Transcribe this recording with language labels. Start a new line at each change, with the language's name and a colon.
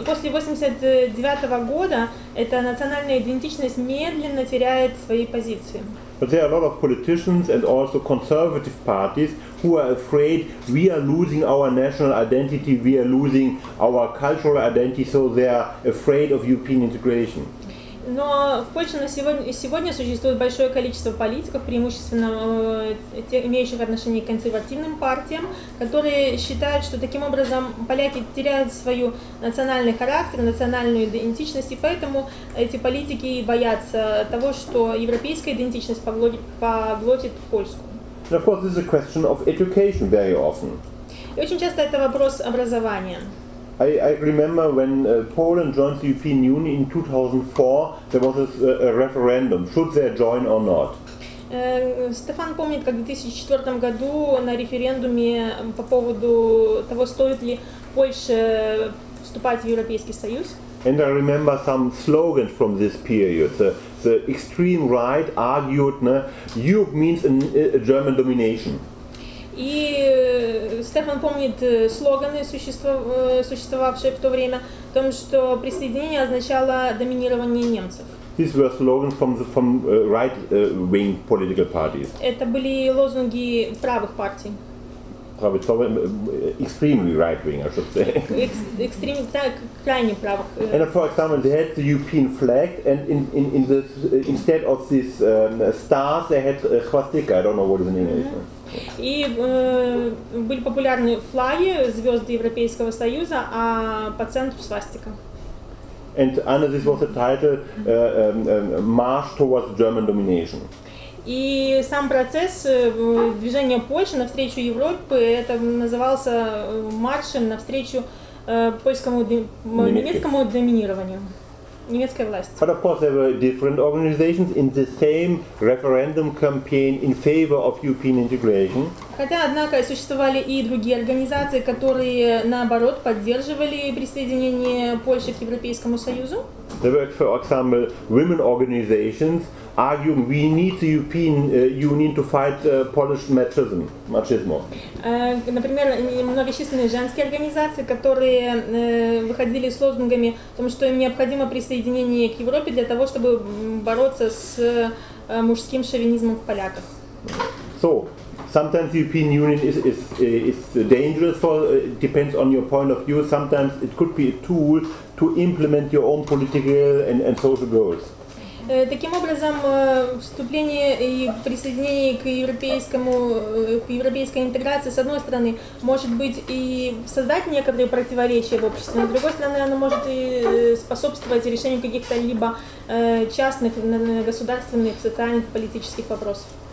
Russian: И после 89 года эта национальная идентичность медленно теряет свои позиции.
English: But there are a lot of politicians and also conservative parties who are afraid we are losing our national identity, we are losing our cultural identity, so they are afraid of European integration.
Russian: Но в Польше сегодня существует большое количество политиков, преимущественно имеющих отношение к консервативным партиям, которые считают, что таким образом поляки теряют свой национальный характер, национальную идентичность, и поэтому эти политики боятся того, что европейская идентичность поглотит Польску.
English: And of course, this is a question of education very often.
Russian: И очень часто это вопрос образования.
English: I remember when Poland joined the European Union in 2004, there was a referendum, should they join or not?
Russian: Стефан помнит, как в 2004 году на референдуме по поводу того, стоит ли Польше вступать в Европейский Союз.
English: And I remember some slogans from this period. The extreme right argued, Europe means a German domination.
Russian: И Стефан помнит слоганы, существовавшие в то время, о том, что присоединение означало доминирование немцев.
English: These were slogans from right-wing political parties.
Russian: Это были лозунги правых партий.
English: Extremely right-wing, I should say. Extremely,
Russian: так, крайне правых.
English: And for example, they had the European flag, and instead of these stars, they had swastika. I don't know what is the name of it.
Russian: И были популярны флаги, звезды Европейского Союза, а по центру свастика.
English: And under this was the title March Towards German Domination.
Russian: И сам процесс движения Польши навстречу Европе, это назывался маршем навстречу немецкому доминированию.
English: But of course, there were different organizations in the same referendum campaign in favor of European integration.
Russian: Хотя, однако, существовали и другие организации, которые, наоборот, поддерживали присоединение Польши к Европейскому Союзу.
English: There were, for example, women organizations arguing we need the European Union to fight Polish machismo.
Russian: Например, многочисленные женские организации, которые выходили с лозунгами о том, что им необходимо присоединение к Европе для того, чтобы бороться с мужским шовинизмом в поляках.
English: So, sometimes the European Union is dangerous, so it depends on your point of view. Sometimes it could be a tool to implement your own political and social goals.
Russian: Таким образом, вступление и присоединение к европейскому, к европейской интеграции, с одной стороны, может быть и создать некоторые противоречия в обществе, но с другой стороны, оно может и способствовать решению каких-то либо частных, государственных, социальных, политических вопросов.